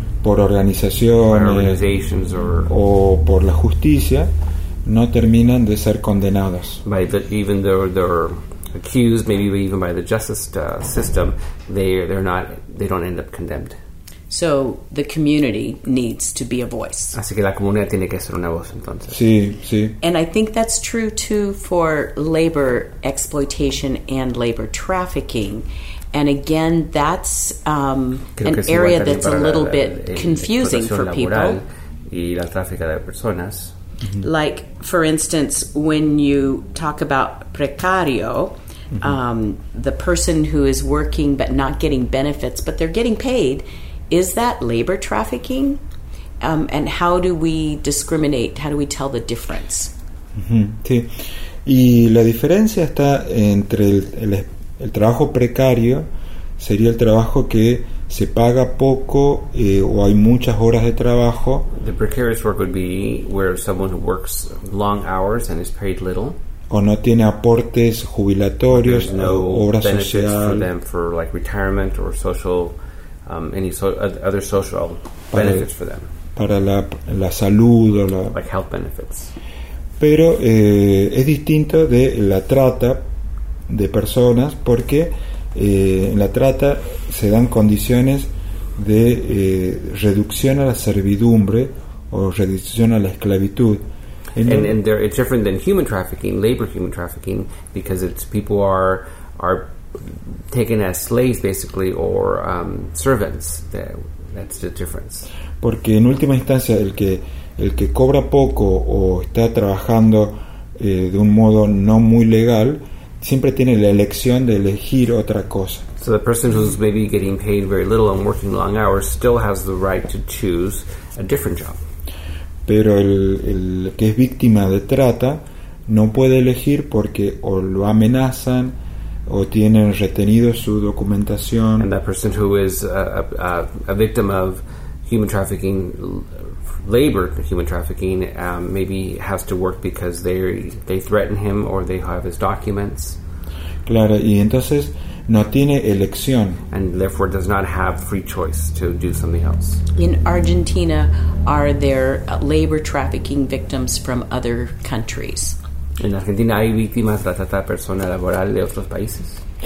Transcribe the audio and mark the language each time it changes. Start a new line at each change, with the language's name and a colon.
Spanish: por organizaciones o por la justicia, no terminan de ser condenados.
English: Even though they're accused, maybe even by the justice system, they don't end up condemned. So the community needs to be a voice.
Spanish: Así que la comunidad tiene que ser una voz entonces. Sí, sí.
English: And I think that's true too for labor exploitation and labor trafficking. And again, that's an area that's a little bit confusing for people.
Spanish: Y la tráfica de personas.
English: Like, for instance, when you talk about precario, the person who is working but not getting benefits, but they're getting paid. Is that labor trafficking? And how do we discriminate? How do we tell the difference?
Spanish: Sí. Y la diferencia está entre el trabajo precario, sería el trabajo que se paga poco o hay muchas horas de trabajo.
English: The precarious work would be where someone who works long hours and is paid little.
Spanish: O no tiene aportes jubilatorios, no obra
English: benefits
Spanish: social.
English: For them for like retirement or social. Any other social benefits for them.
Spanish: Para la salud o la...
English: Like health benefits.
Spanish: Pero es distinto de la trata de personas porque en la trata se dan condiciones de reducción a la servidumbre o reducción a la esclavitud.
English: And it's different than human trafficking, labor human trafficking, because it's people are taken as slaves, basically, or servants. That's the difference.
Spanish: Porque en última instancia el que cobra poco o está trabajando de un modo no muy legal siempre tiene la elección de elegir otra cosa.
English: So the person who's maybe getting paid very little and working long hours still has the right to choose a different job.
Spanish: Pero el que es víctima de trata no puede elegir porque o lo amenazan. o tienen retenido su documentación.
English: And that person who is a victim of human trafficking, labor human trafficking, maybe has to work because they threaten him or they have his documents.
Spanish: Claro, y entonces no tiene elección.
English: And therefore does not have free choice to do something else. In Argentina, are there labor trafficking victims from other countries?
Spanish: En Argentina hay víctimas de la trata de personas laboral de otros países.